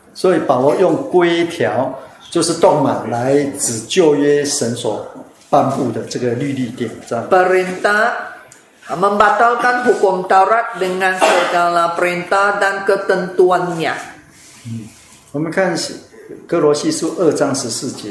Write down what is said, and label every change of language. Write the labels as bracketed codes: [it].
[zh] 所以保罗用规条就是 dogma 来指旧约神所颁布的这个律例典章。 [ms] Perintah membatalkan hukum Taurat dengan segala perintah dan ketentuannya. [zh] 我们看哥罗西书二章十四节。